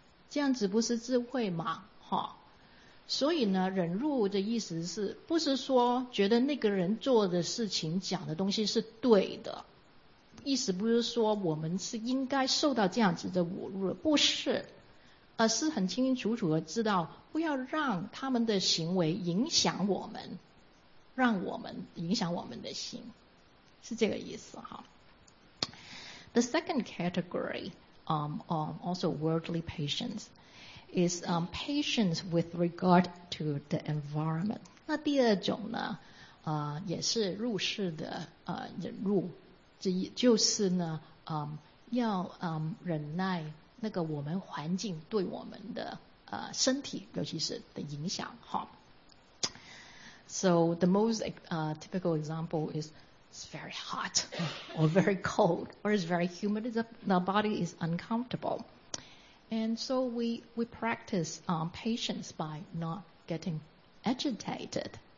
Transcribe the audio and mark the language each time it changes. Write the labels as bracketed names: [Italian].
[Chinese] 这样子不是智慧吗？哈，所以呢忍辱的意思是不是说觉得那个人做的事情讲的东西是对的，意思不是说我们是应该受到这样子的侮辱，不是，而是很清清楚楚的知道不要让他们的行为影响我们，让我们影响我们的心，是这个意思哈。 [English] The second category, also worldly patience, is patience with regard to the environment. [Chinese] 那第二种呢，也是入世的忍辱。就是呢，要忍耐那个我们环境对我们的身体，尤其是的影响。 [English] 哈 ，So the most typical example is it's very hot or very cold or it's very humid. The body is uncomfortable, and so we practice patience by not getting agitated.